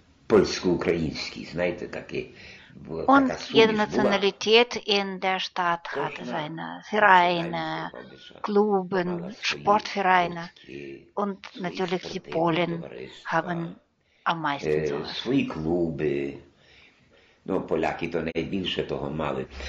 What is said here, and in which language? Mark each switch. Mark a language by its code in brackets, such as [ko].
[uk] Польсько-український, знаєте, таке було. [de] Jede Nationalität in der Stadt hatte seine Vereine, Klubs, Sportvereine. Und natürlich die Polen haben am meisten so. [uk] Свої клуби. Ну, поляки то найбільше того мали.